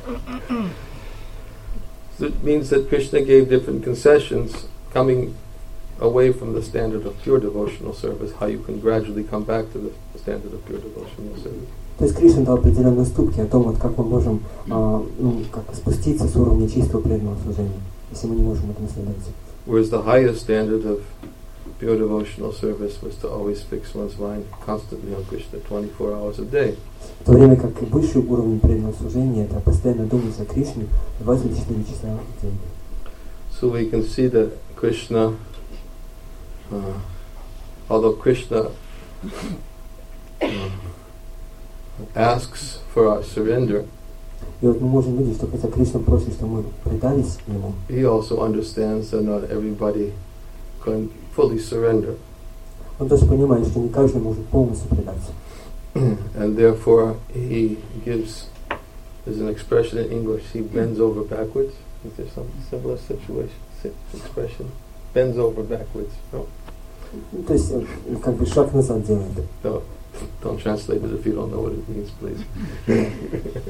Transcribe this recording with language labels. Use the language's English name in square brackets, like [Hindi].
[English] 499,999 to go. I don't know. It means that Krishna gave different concessions coming away from the standard of pure devotional service, how you can gradually come back to the standard of pure devotional service. [Russian] То есть Кришна дал определенные уступки о том, вот как мы можем как спуститься с уровня чистого преданного служения, если мы не можем этому следовать. [English] Whereas the highest standard of pure devotional service was to always fix one's mind constantly on Krishna 24 hours a day. [Russian] В то время как высший уровень преданного служения это постоянно думать о Кришне 24 часа в день. [English] So we can see that Krishna, although Krishna asks for our surrender. [Russian] И вот мы можем видеть, что хотя Кришна просит, что мы предались ему. [English] He also understands that not everybody can fully surrender. [Russian] Он тоже понимает, что не каждый может полностью предаться. [English] And therefore he gives, there's an expression in English, he bends over backwards. Is there some similar situation expression? Bends over backwards. No. [Russian] То есть как бы шаг назад делает. [English] No. Don't translate it if you don't know what it means, please.